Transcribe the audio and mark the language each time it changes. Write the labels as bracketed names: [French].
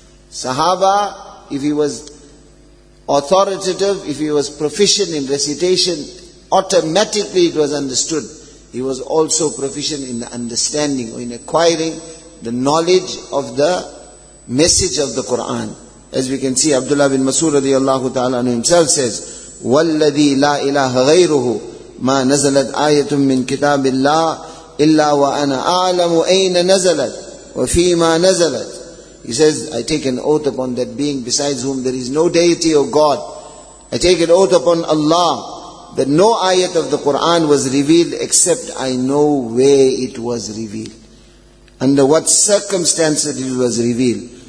[English] Sahaba, if he was authoritative, if he was proficient in recitation, automatically it was understood. He was also proficient in the understanding or in acquiring the knowledge of the message of the Quran. As we can see, Abdullah bin Mas'ud radiallahu ta'ala anhu himself says, [Arabic] وَالَّذِي لَا إِلَهَ غَيْرُهُ مَا نَزَلَتْ آيَةٌ مِّن كِتَابِ اللَّهِ إِلَّا وَأَنَا أَعْلَمُ أَيْنَ نَزَلَتْ وَفِي مَا نَزَلَتْ. [English] He says, I take an oath upon that being besides whom there is no deity or God. I take an oath upon Allah that no ayat of the Quran was revealed except I know where it was revealed. Under what circumstances it was revealed.